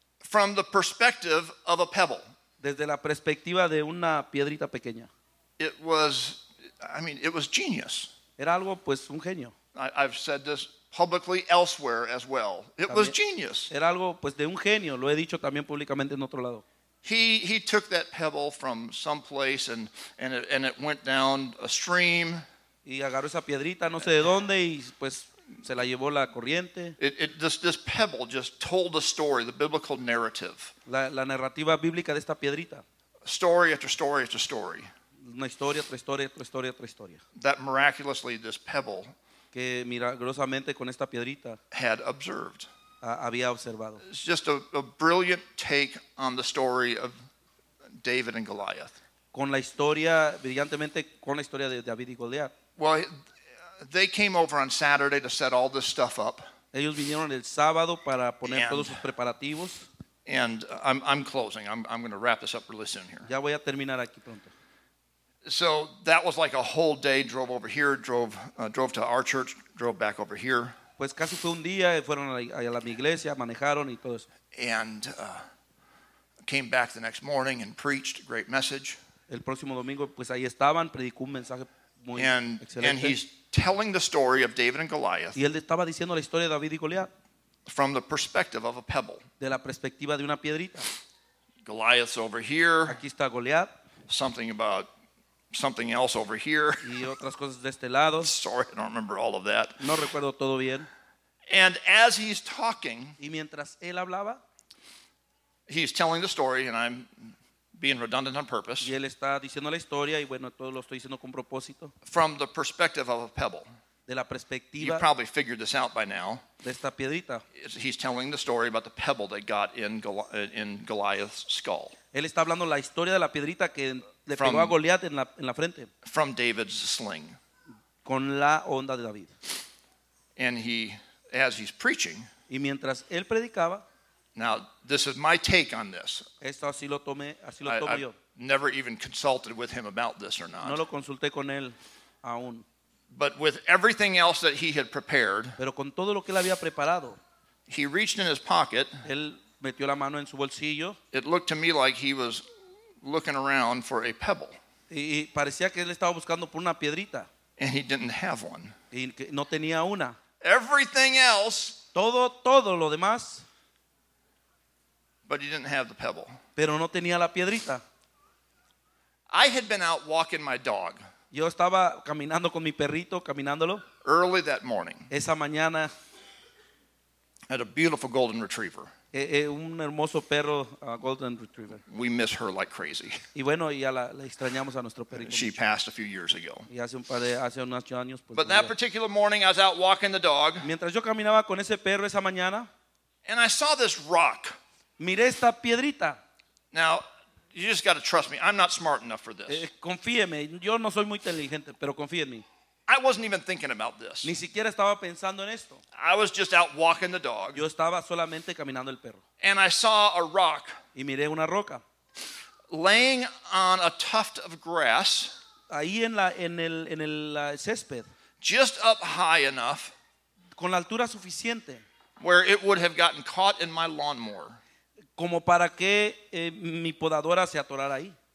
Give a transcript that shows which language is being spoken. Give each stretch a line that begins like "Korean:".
English: From the perspective of a pebble.
Spanish: Desde la perspectiva de una piedrita pequeña.
English: It was, I mean, it was genius.
Spanish: Era algo, pues, un genio.
English: I've said this publicly elsewhere as well. It
Spanish: también,
English: was genius.
Spanish: Era algo, pues, de un genio. Lo he dicho también públicamente en otro lado.
English: He took that pebble from someplace and it went down a stream.
Spanish: Y agarró esa piedrita, no sé de dónde, y pues se la llevó la corriente.
English: This pebble just told the story, the biblical narrative.
Spanish: La narrativa bíblica de esta piedrita.
English: Story after story after story.
Spanish: Una historia, otra historia, otra historia, otra historia.
English: That miraculously this pebble
Spanish: que milagrosamente con esta piedrita
English: had observed.
Spanish: Había observado.
English: It's just a brilliant take on the story of David and Goliath.
Spanish: Con la historia, brillantemente con la historia de David y Goliath.
English: Well, they came over on Saturday to set all this stuff up.
Spanish: Ellos vinieron el sábado para poner todos sus preparativos.
English: And I'm closing. I'm going to wrap this up really soon here.
Spanish: Ya voy a terminar aquí pronto.
English: So that was like a whole day, drove over here, drove to our church, drove back over here.
Spanish: Pues casi fue un día, fueron a mi iglesia, manejaron y todo eso.
English: And came back the next morning and preached a great message.
Spanish: El próximo domingo, pues ahí estaban, predicó un mensaje muy excelente.
English: And he's telling the story of David and Goliath.
Spanish: Y él estaba diciendo la historia de David y Goliath.
English: From the perspective of a pebble.
Spanish: De la perspectiva de una piedrita.
English: Goliath's over here.
Spanish: Aquí está Goliath.
English: Something about something else over here.
Spanish: Y otras cosas de este lado.
English: Sorry, I don't remember all of that.
Spanish: No recuerdo todo bien.
English: And as he's talking,
Spanish: y mientras él hablaba,
English: he's telling the story, and I'm being redundant on purpose.
Spanish: Y él está diciendo la historia, y bueno, todo lo estoy diciendo con propósito.
English: From the perspective of a pebble.
Spanish: De la perspectiva.
English: You probably figured this out by now.
Spanish: De esta piedrita.
English: He's telling the story about the pebble that got in Goliath's skull.
Spanish: Él está hablando la historia de la piedrita que le pegó a Goliat en la frente.
English: From David's sling.
Spanish: Con la onda de David.
English: And he, as he's preaching.
Spanish: Y mientras él predicaba.
English: Now, this is my take on this.
Spanish: Esto así lo tomé, así lo tomé yo.
English: Never even consulted with him about this or not.
Spanish: No lo consulté con él aún.
English: But with everything else that he had prepared.
Spanish: Pero con todo lo que él había preparado.
English: He reached in his pocket.
Spanish: Él metió la mano en su bolsillo.
English: It looked to me like he was looking around for a pebble.
Spanish: Y parecía que él estaba buscando por una piedrita.
English: And he didn't have one.
Spanish: Y no tenía una.
English: Everything else.
Spanish: Todo lo demás.
English: But he didn't have the pebble.
Spanish: Pero no tenía la piedrita.
English: I had been out walking my dog.
Spanish: Yo estaba caminando con mi perrito, caminándolo.
English: Early that morning.
Spanish: Esa mañana.
English: had a beautiful golden retriever.
Spanish: Un hermoso perro, golden retriever.
English: We miss her like crazy.
Spanish: Y bueno, ya la extrañamos a nuestro perrito.
English: She passed a few years ago.
Spanish: Y hace unos años, pues,
English: but that particular morning, I was out walking the dog.
Spanish: Mientras yo caminaba con ese perro esa mañana,
English: and I saw this rock.
Spanish: Miré esta piedrita.
English: Now, you just got to trust me. I'm not smart enough for this.
Spanish: Confíeme. Yo no soy muy inteligente, pero confíe en mí.
English: I wasn't even thinking about this.
Spanish: Ni siquiera estaba pensando en esto.
English: I was just out walking the dog.
Spanish: Yo estaba solamente caminando el perro.
English: And I saw a rock.
Spanish: Y miré una roca.
English: Laying on a tuft of grass.
Spanish: Ahí en el césped.
English: Just up high enough.
Spanish: Con la altura suficiente.
English: Where it would have gotten caught in my lawnmower.
Spanish: Como para que mi podadora se atorara ahí.